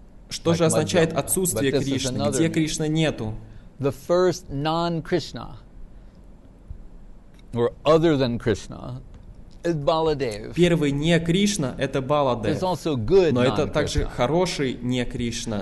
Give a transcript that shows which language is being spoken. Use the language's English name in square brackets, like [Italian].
[Russian] Что же означает отсутствие Кришны? Где Кришны нету? [English] The first non-Krishna, or other than Krishna, is Baladev. [Russian] Первый не Кришна — это Баладев. Но это также хороший не Кришна.